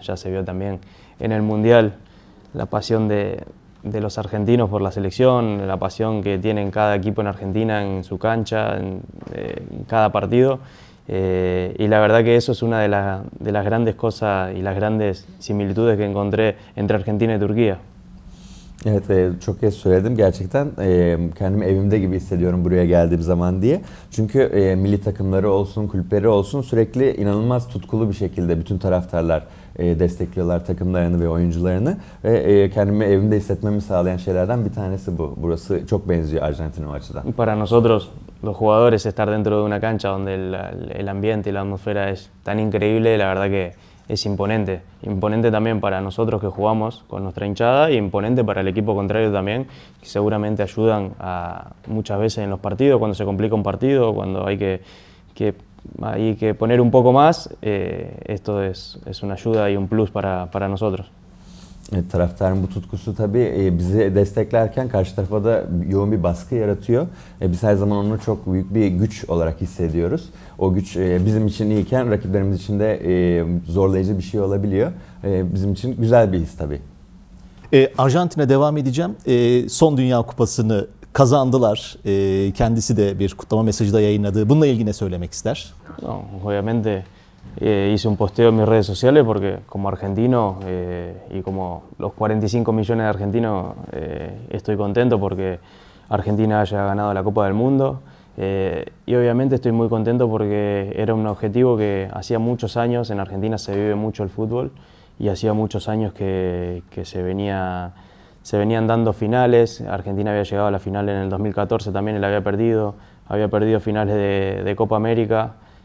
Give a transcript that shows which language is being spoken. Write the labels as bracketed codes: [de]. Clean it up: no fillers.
[es] Ya se vio también en el Mundial la pasión de los argentinos por la selección, la pasión que tienen cada equipo en Argentina, en su cancha, en cada partido. Y la verdad que eso es una de las grandes cosas y las grandes similitudes que encontré entre Argentina y Turquía. [tr] Evet, çok iyi söyledim. Gerçekten kendimi evimde gibi hissediyorum buraya geldiğim zaman diye. Çünkü milli takımları olsun, kulüpleri olsun sürekli inanılmaz tutkulu bir şekilde bütün taraftarlar destekliyorlar takımlarını ve oyuncularını. Ve kendimi evimde hissetmemi sağlayan şeylerden bir tanesi bu. Burası çok benziyor Arjantin'in açıdan. [es] Para nosotros, los jugadores, estar dentro de una cancha donde el ambiente y la atmosfera es tan increíble, la verdad que es imponente. Imponente también para nosotros que jugamos con nuestra hinchada y imponente para el equipo contrario también, que seguramente ayudan a, muchas veces en los partidos, cuando se complica un partido, cuando hay que poner un poco más, esto es una ayuda y un plus para nosotros. [tr] Taraftarın bu tutkusu tabii bizi desteklerken karşı tarafa da yoğun bir baskı yaratıyor. Biz her zaman onu çok büyük bir güç olarak hissediyoruz. O güç bizim için iyiyken rakiplerimiz için de zorlayıcı bir şey olabiliyor. Bizim için güzel bir his tabii. Arjantin'e devam edeceğim. Son Dünya Kupası'nı kazandılar. Kendisi de bir kutlama mesajı da yayınladı. Bununla ilgili ne söylemek ister? [es] Obviamente. Hice un posteo en mis redes sociales porque como argentino y como los 45 millones de argentinos estoy contento porque Argentina haya ganado la Copa del Mundo y obviamente estoy muy contento porque era un objetivo que hacía muchos años, en Argentina se vive mucho el fútbol y hacía muchos años que se venían dando finales, Argentina había llegado a la final en el 2014 también y la había perdido finales de Copa América.